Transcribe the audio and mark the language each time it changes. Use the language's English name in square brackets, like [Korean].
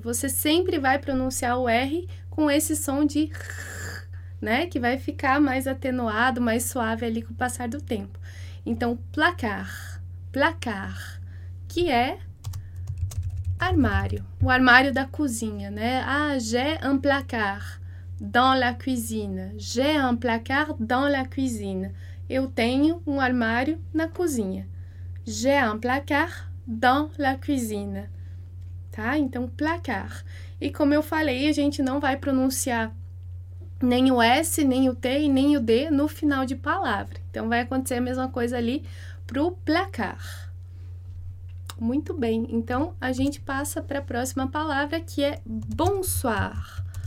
[Portuguese] Você sempre vai pronunciar o R com esse som de, né? Que vai ficar mais atenuado, mais suave ali com o passar do tempo. Então, placar. Placar. Que é armário, o armário da cozinha, né? [French] Ah, j'ai un placard dans la cuisine. J'ai un placard dans la cuisine. [Portuguese] Eu tenho um armário na cozinha. [French] J'ai un placard dans la cuisine. [Portuguese] Tá? Então, placard. E como eu falei, a gente não vai pronunciar nem o S, nem o T e nem o D no final de palavra. Então, vai acontecer a mesma coisa ali pro placard. Muito bem, então a gente passa para a próxima palavra que é bonsoir.